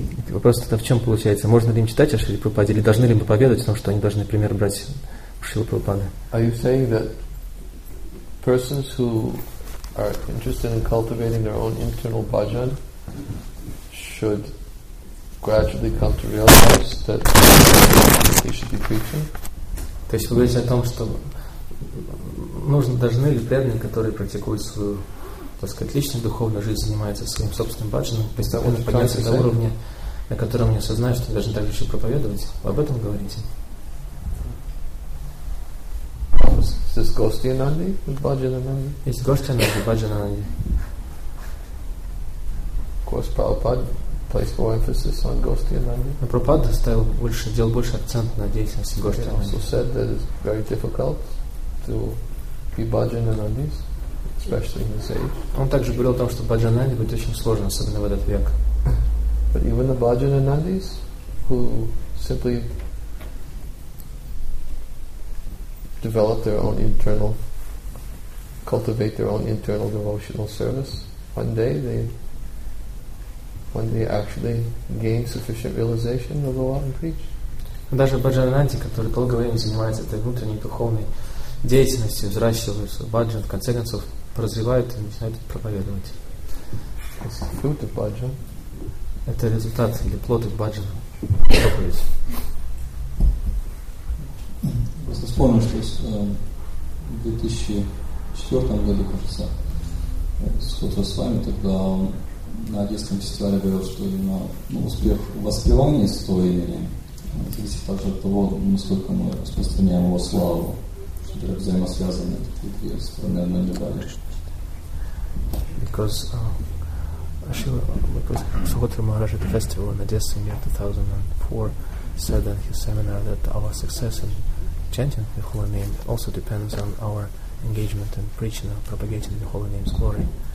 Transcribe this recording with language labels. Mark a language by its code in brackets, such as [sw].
[ru] Вопрос тогда в чем получается? Можно ли им читать о Шриле Прабхупаде или должны ли мы поведать о том, что они должны пример брать у Шрилы Прабхупады? [en] Are you saying that persons who are interested in cultivating their own internal bhajan should gradually come to realize that they should be preaching? [ru] То есть вы говорите о том, что нужно, должны ли преданные, которые практикуют свою, так сказать, личную духовную жизнь, занимается своим собственным бхаджаном, постепенно подняться до уровня, на котором они осознают, что должны также еще проповедовать. Вы об этом говорите? [en] Is this Гости Ананди? Bhajan Ananda? Is Гости Ананди, Bhajan Ананди. Of course, Prabhupada placed more emphasis on Гости Ананди. [ru] Но Прабхупада ставил больше, делал больше акцент на деятельности Гости Ананди. [en] He also said that it's very difficult to be Bhajan Anandis. Especially in this age. [ru] Он также говорил о том, что баджананди будет очень сложно, особенно в этот век. [en] But even the bhajananandis, who simply develop their own internal, cultivate their own internal devotional service, one day actually gain sufficient realization, they'll go out and preach. [ru] Даже баджананди, который долгое время занимается этой внутренней духовной деятельностью, взращивает свой баджан, в конце концов развивают и начинают проповедовать. Это результат или плод их баджана. Просто вспомнил, что в 2004 году, кажется, сходил с вами, тогда он на одесском фестивале говорил, что именно, ну, успех воспевания святого имени зависит также от того, насколько мы распространяем его славу, что это взаимосвязано и две стороны одной медали. [en] Because Subhadra Maharaj at the festival in Odessa in the year 2004 said in his seminar that our success in chanting the holy name also depends on our engagement in preaching and propagating the holy name's glory.